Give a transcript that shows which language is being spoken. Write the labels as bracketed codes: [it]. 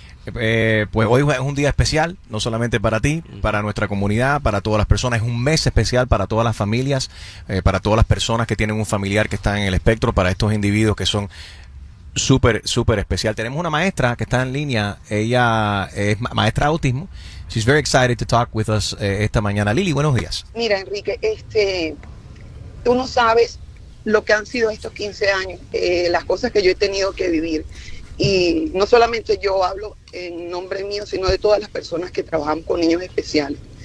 [es] Sí. Pues hoy es un día especial, no solamente para ti, para nuestra comunidad, para todas las personas. Es un mes especial para todas las familias, para todas las personas que tienen un familiar que está en el espectro, para estos individuos que son súper, súper especial. Tenemos una maestra que está en línea. Ella es maestra de autismo. [en] She's very excited to talk with us [es] esta mañana. Lili, buenos días. Mira, Enrique, tú no sabes lo que han sido estos 15 años, las cosas que yo he tenido que vivir. Y no solamente yo hablo en nombre mío, sino de todas las personas que trabajan con niños especiales.